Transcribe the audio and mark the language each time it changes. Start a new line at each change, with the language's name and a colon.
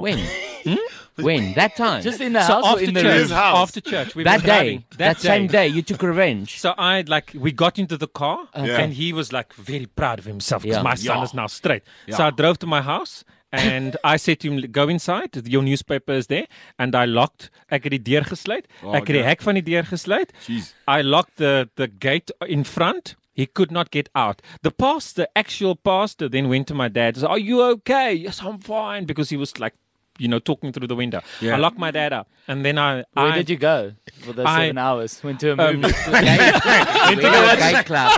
English: When? When? That time? Just in the house after in church, the room? House. After church. We that day. That same day. You took revenge. So I like, we got into the car and he was like very proud of himself because my son is now straight. Yeah. So I drove to my house. And I said to him, go inside, your newspaper is there. And I locked,
Afrikaans: ek het die deur gesluit, ek het die hek van die deur gesluit.
English: I locked the gate in front. He could not get out. The pastor, actual pastor, then went to my dad and said, are you okay? Yes, I'm fine. Because he was like, you know, talking through the window. Yeah. I locked my dad up. And then I... Where did you go for the 7 hours? Went to a movie. Went to a gay club.